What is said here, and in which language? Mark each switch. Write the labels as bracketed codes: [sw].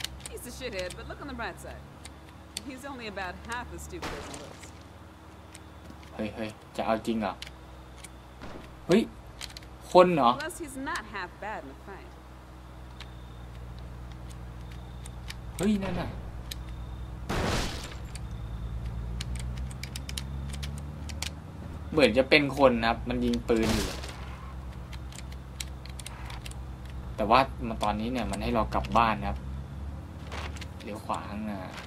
[en] He's a shithead but look on the bright side He's only about half as stupid as he looks [th] เฮ้ยจะเอาจริงเหรอเฮ้ยคนเหรอ [en] Plus he's not half bad in a fight [th] เฮ้ยนั่นน่ะเหมือนจะเป็นคนนะครับมันยิงปืนอยู่แต่ว่ามาตอนนี้เนี่ยมันให้เรากลับบ้านนะครับเลี้ยวขวาข้างหน้า